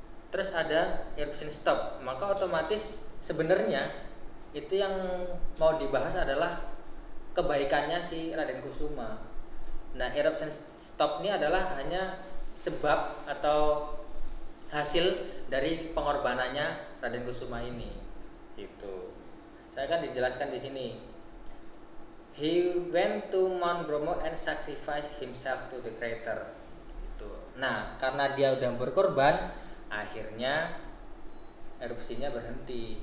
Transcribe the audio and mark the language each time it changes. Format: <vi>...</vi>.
<id>terus ada eruption stop, maka otomatis sebenarnya itu yang mau dibahas adalah kebaikannya si Raden Kusuma. Nah, eruption stop ini adalah hanya sebab atau hasil dari pengorbanannya Raden Kusuma ini. Itu. Saya kan dijelaskan di sini.</id> <en>He went to Mount Bromo and sacrificed himself to the creator.</en> <id>Itu. Nah, karena dia udah berkorban, akhirnya erupsinya berhenti.</id>